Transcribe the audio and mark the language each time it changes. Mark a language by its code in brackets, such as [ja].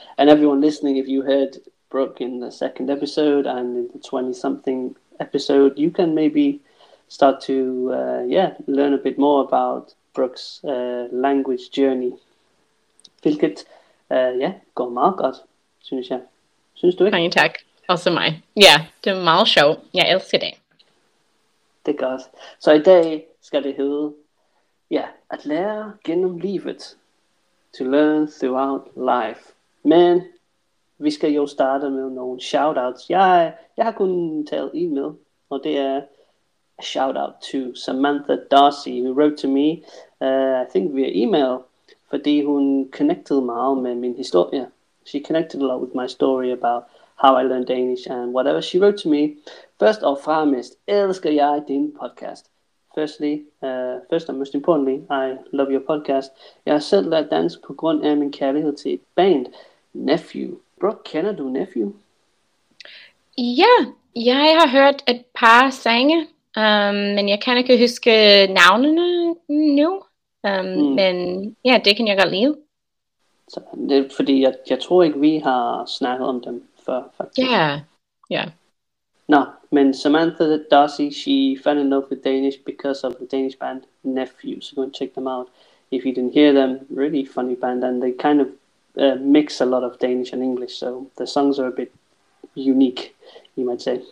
[en] And everyone listening, if you heard Brooke in the second episode and in the 20-something episode, you can maybe start to learn a bit more about Brooke's language journey. [da] Hvilket går meget godt, synes jeg. Synes du ikke? Mange tak. Også mig. Ja, det er meget sjovt. Jeg elsker det. Det er godt. Så i dag skal det hedde, at lære gennem livet. [en] To learn throughout life. [da] Men vi skal jo starte med nogle shoutouts. Jeg har kun talt en med, og det er [en] a shoutout to Samantha Darcy, who wrote to me, I think via email, [da] fordi hun connected meget med min historie. [en] She connected a lot with my story about how I learned Danish and whatever she wrote to me. [da] First og fremmest, elsker jeg din podcast. [en] First and most importantly, I love your podcast. [da] Jeg har selv lært dansk på grund af min kærlighed til et band, Nephew. Brooke, kender du Nephew? Ja, jeg har hørt et par sange, men jeg kan ikke huske navnene nu. Men ja, det kan jeg godt lide. Så, det er, fordi jeg tror ikke, vi har snakket om dem før, faktisk. [en] Men Samantha Darcy, she fell in love with Danish because of the Danish band Nephew. So go and check them out if you didn't hear them. Really funny band, and they kind of mix a lot of Danish and English. So the songs are a bit unique, you might say.